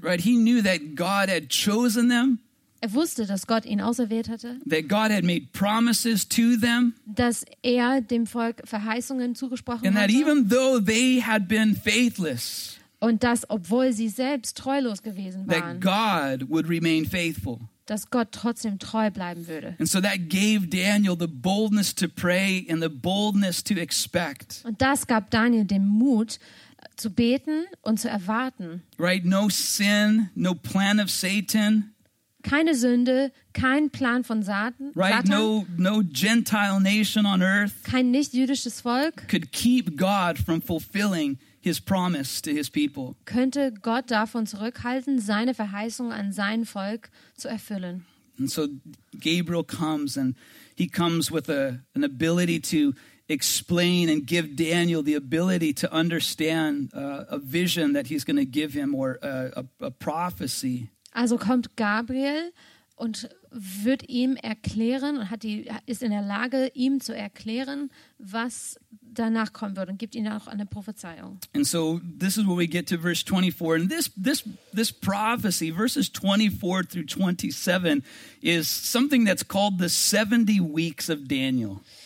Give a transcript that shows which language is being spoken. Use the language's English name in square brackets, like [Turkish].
[English] Right, he knew that God had chosen them. [German] Er wusste, dass Gott ihn auserwählt hatte. [English] That God had made promises to them. [German] Dass er dem Volk Verheißungen zugesprochen [English] and [German] hatte. [English] That even though they had been faithless, [German] und dass, obwohl sie selbst treulos gewesen waren, [English] that God would remain faithful. [German] Dass Gott trotzdem treu bleiben würde. [English] And so that gave Daniel the boldness to pray and the boldness to expect. [German] Und das gab Daniel den Mut, zu beten und zu erwarten. [English] Right? No sin, no plan of Satan. [German] Keine Sünde, kein Plan von Satan. [English] Right, no Gentile nation on earth. [German] Kein nicht-jüdisches Volk. [English] Could keep God from fulfilling his promise to his people. [German] Könnte Gott davon zurückhalten, seine Verheißung an sein Volk zu erfüllen. [English] And so Gabriel comes and he comes with an ability to explain and give Daniel the ability to understand a vision that he's going to give him or a prophecy. [German] Also kommt Gabriel und wird ihm erklären und ist in der Lage, ihm zu erklären, was danach kommen wird und gibt ihm auch eine Prophezeiung. [English] And so this is where we get to verse 24. And this prophecy, verses 24 through 27, is something that's called the 70 weeks of Daniel.